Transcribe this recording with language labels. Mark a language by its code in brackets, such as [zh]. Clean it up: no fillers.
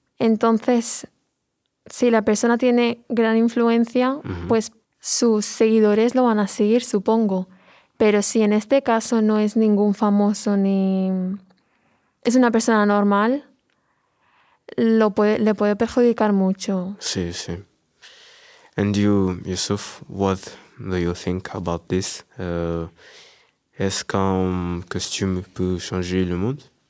[es] Entonces, si la persona tiene gran influencia, pues sus seguidores lo van a seguir, supongo. Pero si en este caso no es ningún famoso ni es una persona normal, le puede perjudicar mucho. Sí, sí. [en] And you, Yusuf, what do you think about this? [fr] Est-ce qu'un costume peut changer le monde?